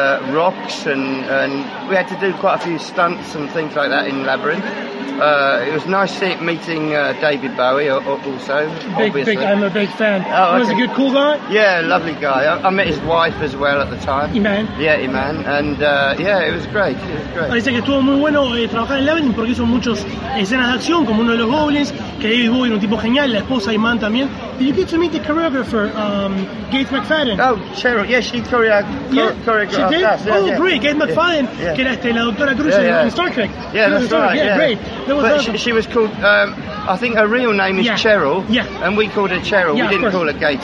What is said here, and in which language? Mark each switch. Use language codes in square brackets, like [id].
[en] rocks and we had to do quite a few stunts and things like that in Labyrinth. It was nice meeting David Bowie also. Big, I'm a big fan. Oh, he was a good, cool guy. Yeah, lovely guy. I met his wife as well at the time. Iman. Yeah, Iman. And it was great. [es] Dice que estuvo muy bueno trabajar en Labyrinth porque hizo muchas escenas de acción como uno de los goblins, que David Bowie era un tipo genial, la esposa Iman también. [en] Did you get to meet the choreographer, Gaith McFadden? Oh, Cheryl. Yeah, she choreographed that. Great. Gaith McFadden, que era la doctora Cruz en Star Trek. Yeah, that's right. Yeah, great. But she was called, I think her real name is Cheryl. Yeah. And we called her Cheryl. Yeah, we didn't call her Gates.